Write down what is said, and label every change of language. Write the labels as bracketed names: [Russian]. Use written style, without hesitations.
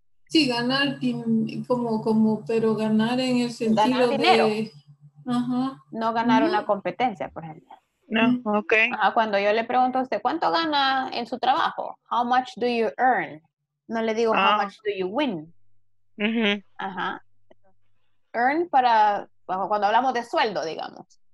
[Spanish] Sí, ganar como, pero ganar en el sentido ganar dinero. De. Ajá. No ganar una competencia, por ejemplo. No, okay. Ajá, cuando yo le pregunto a usted, ¿cuánto gana en su trabajo? [English] How much do you earn? [Spanish] No le digo, [English] how much do you win? Uh-huh. Ajá. [Spanish] Earn para, bueno, cuando hablamos de sueldo, digamos.